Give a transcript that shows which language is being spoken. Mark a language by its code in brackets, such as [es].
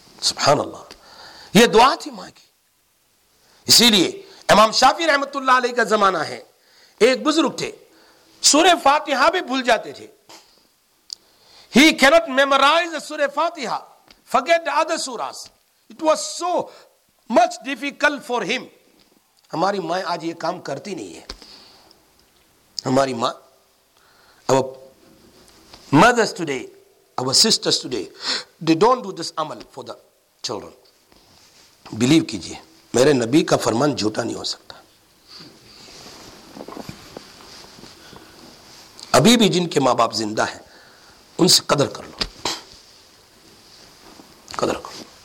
[ur] سبحان اللہ, یہ دعا تھی ماں کی. اسی لیے امام شافعی رحمت اللہ علیہ کا زمانہ ہے, ایک بزرگ تھے, سورہ فاتحہ بھی بھول جاتے تھے. [en] He cannot memorize سورہ فاتحہ, forget the other surahs. It was so much difficult for him. [ur] ہماری ماں آج یہ کام کرتی نہیں ہے. ہماری ماں, [en] our mothers today, our sisters today, they don't do this amal for the children. [ur] Believe کیجئے میرے نبی کا فرمان جھوٹا نہیں ہو سکتا. ابھی بھی جن کے ماں باپ زندہ ہیں ان سے قدر کر لو, قدر کرو.